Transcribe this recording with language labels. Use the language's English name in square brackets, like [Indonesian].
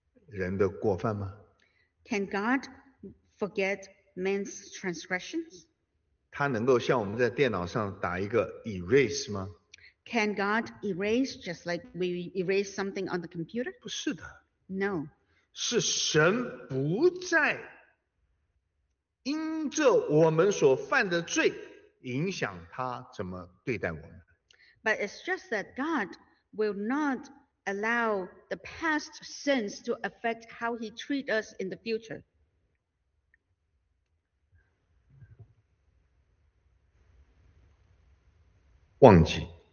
[Chinese] 神能够忘记人的过犯吗? [English] Can God forget man's transgressions? [Chinese] 他能够像我们在电脑上打一个 erase吗? [English] Can God erase just like we erase something on the computer? [Chinese] 不是的, [English] no. [Chinese] 是神不再因着我们所犯的罪影响他怎么对待我们, [English] but it's just that God will not allow the past sins to affect how he treats us in the future. [Chinese] 忘记,